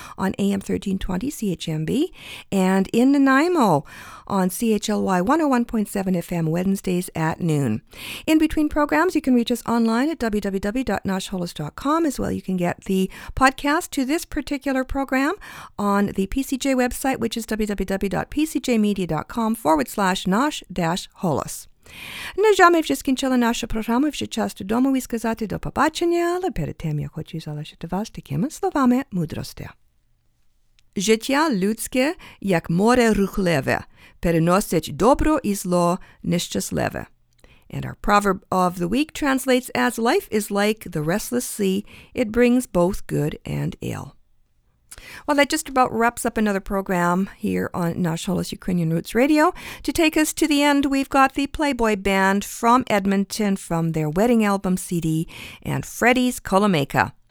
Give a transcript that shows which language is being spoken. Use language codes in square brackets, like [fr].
[en] on AM 1320 CHMB, and in Nanaimo on CHLY 101.7 FM Wednesdays at noon. In between programs, you can reach us online at www.nashholos.com. As well, you can get the podcast to this particular program on the PCJ website, which is www.pcjmedia.com/nash-holos. [uk] Ну, ж, ми вже скінчили нашу програму, вже час додому і сказати до побачення, але перед тим я хочу залишити вас такими словами мудрості. Життя людське, як море рухливе, переносить добро і зло нещасливе. [en] And our proverb of the week translates as, "Life is like the restless sea, it brings both good and ill." Well, that just about wraps up another program here on Nash Holos Ukrainian Roots Radio. To take us to the end, we've got the Playboy Band from Edmonton from their wedding album CD and Freddie's Kolomeka.